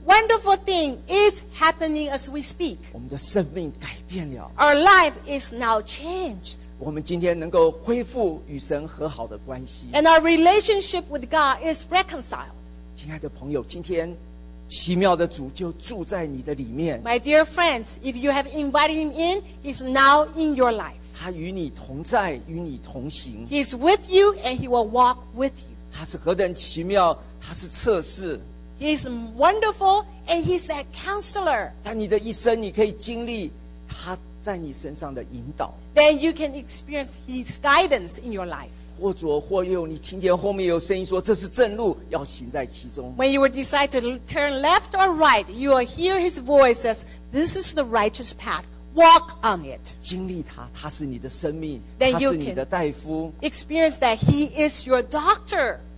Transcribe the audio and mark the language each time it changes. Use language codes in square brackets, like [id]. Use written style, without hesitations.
[en] Wonderful thing is happening as we speak [zh] 我们的生命改变了 [en] Our life is now changed [zh] 我们今天能够恢复与神和好的关系 [en] And our relationship with God is reconciled [zh] 亲爱的朋友今天奇妙的主就住在你的里面 [en] My dear friends If you have invited him in He's now in your life [zh] 他与你同在与你同行 [en] He's with you and he will walk with you [zh] 他是何等奇妙他是测试 [en] He is wonderful and he's a counselor. [zh] 在你的一生你可以经历他在你身上的引导。 [en] Then you can experience his guidance in your life. [zh] 或左或右你听见后面有声音说这是正路要行在其中。 [en] When you decide to turn left or right, you will hear his voice says, this is the righteous path. Walk on it. [zh] 经历他他是你的生命他是你的大夫。 [en] Then you can experience that he is your doctor.